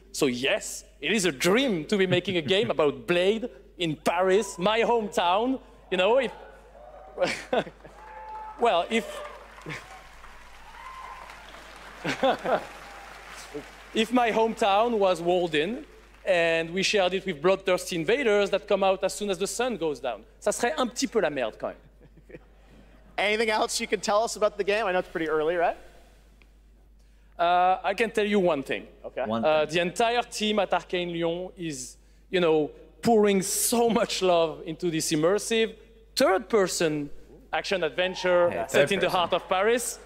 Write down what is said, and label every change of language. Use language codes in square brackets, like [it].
[en] So yes, it is a dream to be making a game about Blade in Paris, my hometown. You know, if... well, if... if my hometown was walled in, and we shared it with bloodthirsty invaders that come out as soon as the sun goes down. [fr] Ça serait un petit peu la merde, quand même. [en] Anything else you can tell us about the game? I know it's pretty early, right? I can tell you one thing. Okay. The entire team at Arcane Lyon is, you know, pouring so much love into this immersive third-person action-adventure set in the heart of Paris.